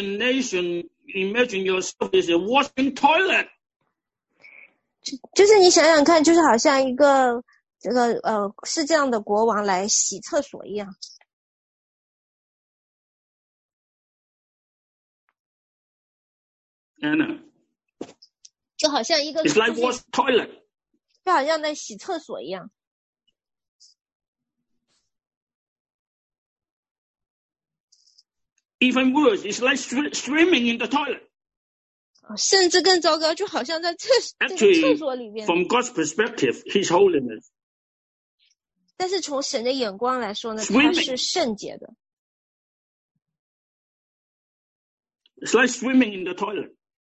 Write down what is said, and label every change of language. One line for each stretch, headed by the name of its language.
English: You can imagine yourself is a washing toilet.
Chinese: 就是你想想看，就是好像一个这个是这样的国王来洗厕所一样。
English: Anna,
Chinese: 就好像一个、
English: It's like wash toilet.
Chinese: 就好像在洗厕所一样。
English: Even worse, it's like swimming in the toilet.
Chinese: 甚至更糟糕，就好像在厕所里面。
English: Actually, from God's perspective, His holiness.
Chinese: 但是从神的眼光来说呢，它是圣洁的。
English: It's like swimming in the toilet.